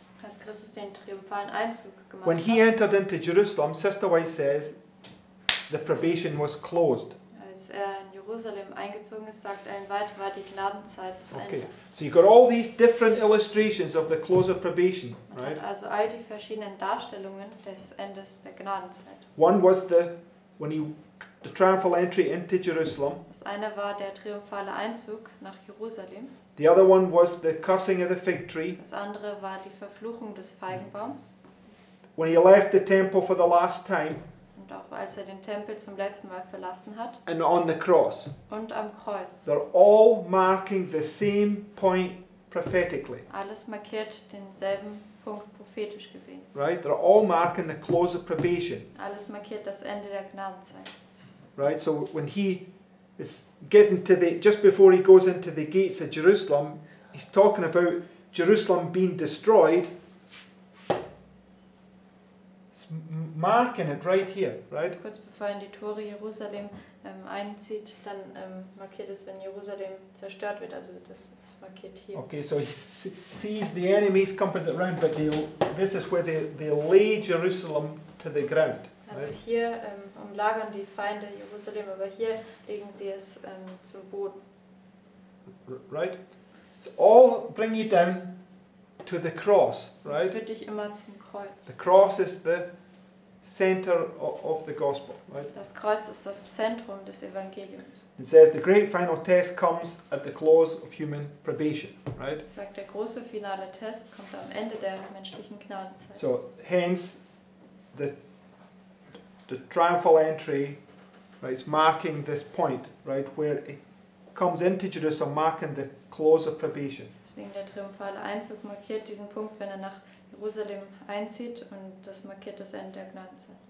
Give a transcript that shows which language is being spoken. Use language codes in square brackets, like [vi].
[de] Als Christus den triumphalen Einzug gemacht [en] when he entered into Jerusalem, Sister White says, the probation was closed. Okay. So you got all these different illustrations of the close of probation, right? [de] Also all die verschiedenen Darstellungen des Endes der Gnadenzeit. [en] One was the triumphal entry into Jerusalem. [de] Das eine war der triumphale Einzug nach Jerusalem. [en] The other one was the cursing of the fig tree. [de] Das andere war die Verfluchung des Feigenbaums. [en] When he left the temple for the last time. [de] Auch als er den Tempel zum letzten Mal verlassen hat. [en] And on the cross. [de] Und am Kreuz. [en] They're all marking the same point prophetically. [de] Alles markiert denselben Punkt prophetisch gesehen. [en] Right? They're all marking the close of probation. [de] Alles markiert das Ende der Gnadenzeit. [en] Right? So when he is getting to the, just before he goes into the gates of Jerusalem, he's talking about Jerusalem being destroyed. Marking it right here, right? [de] Kurz bevor in die Tore Jerusalem einzieht, dann markiert es, wenn Jerusalem zerstört wird. Also das ist markiert hier. [en] Okay, so he sees the enemies compass around, but this is where they lay Jerusalem to the ground. Also right? [de] Hier umlagern die Feinde Jerusalem, aber hier legen sie es zum Boden. [en] Right? So all bring you down to the cross, right? [de] Das führt dich immer zum Kreuz. [en] The cross is the center of the gospel, right? [de] Das Kreuz ist das Zentrum des Evangeliums. [en] It says the great final test comes at the close of human probation, right? [de] Sagt der große finale Test kommt am Ende der menschlichen Gnadenzeit. [en] So hence the triumphal entry, right? It's marking this point, right, where it comes into Jerusalem, marking the close of probation. [de] Deswegen der triumphale Einzug markiert diesen Punkt, wenn er nach Jerusalem einzieht und das markiert das Ende der Gnadenzeit.